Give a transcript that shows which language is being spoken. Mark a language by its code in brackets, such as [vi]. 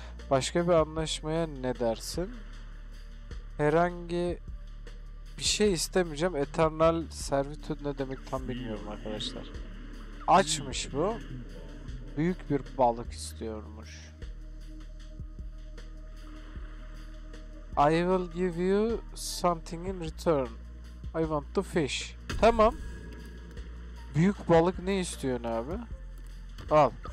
[tr] Başka bir anlaşmaya ne dersin? Herhangi bir şey istemeyeceğim. [en] Eternal servitude [tr] ne demek tam bilmiyorum arkadaşlar. Açmış bu. Büyük bir balık istiyormuş. [en] I will give you something in return. I want to fish. [tr] Tamam. Büyük balık ne istiyorsun abi? Al.